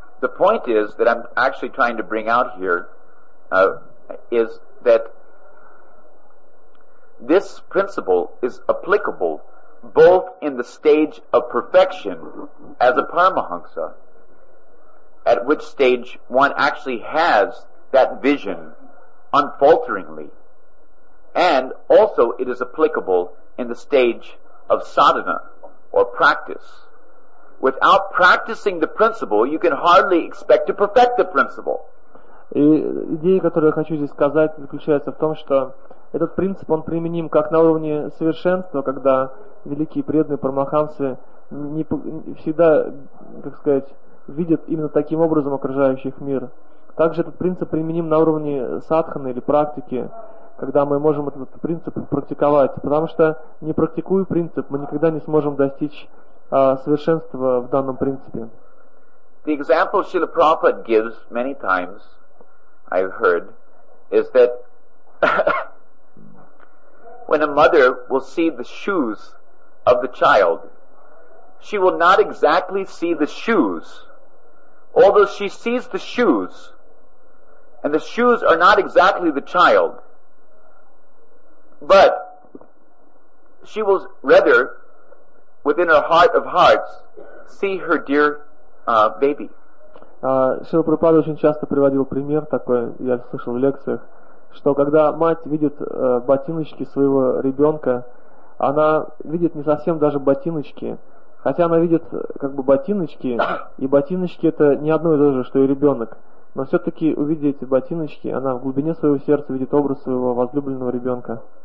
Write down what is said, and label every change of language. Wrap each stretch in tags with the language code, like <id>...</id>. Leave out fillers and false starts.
<en>The point is that I'm actually trying to bring out here is that this principle is applicable both in the stage of perfection as a paramahansa, at which stage one actually has that vision unfalteringly, and also it is applicable in the stage of sadhana or practice. Without practicing the principle, you can hardly expect to perfect the principle.</en> <ru>И идея, которую я хочу здесь сказать, заключается в том, что этот принцип, он применим как на уровне совершенства, когда великие преданные парамахансы не всегда, как сказать, видят именно таким образом окружающих мир. Также этот принцип применим на уровне садханы или практики, когда мы можем этот принцип практиковать, потому что не практикуя принцип, мы никогда не сможем достичь совершенства в данном принципе.</ru> <en>The example Srila Prabhupada gives many times, I've heard, is that when a mother will see the shoes of the child, she will not exactly see the shoes, although she sees the shoes, and the shoes are not exactly the child, but she will rather, within her heart of hearts, see her dear baby.</en> <ru>Шрила Прабхупада очень часто приводил пример такой, я слышал в лекциях, что когда мать видит ботиночки своего ребенка, она видит не совсем даже ботиночки, хотя она видит как бы ботиночки, и ботиночки — это не одно и то же, что и ребенок, но все-таки, увидев эти ботиночки, она в глубине своего сердца видит образ своего возлюбленного ребенка.</ru>